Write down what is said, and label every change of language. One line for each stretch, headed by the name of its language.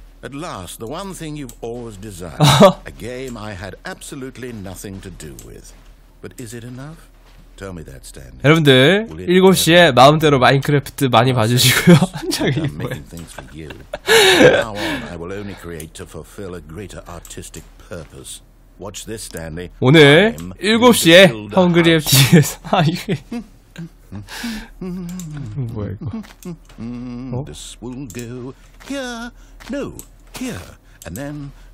English: At last, the one thing you've always desired. A game I had absolutely nothing to do with. But is it enough? Tell me that, Stan.
Korean: 여러분들, 7시에 마음대로 마인크래프트 많이 봐주시고요. 한창이에요.
English: I will only create to fulfill a greater artistic purpose. Watch this, Stanley.
Korean: 오늘 7시에 헝그리 FC에서 아, 이게 뭐야 이거?
English: This will go here, no, here, and then.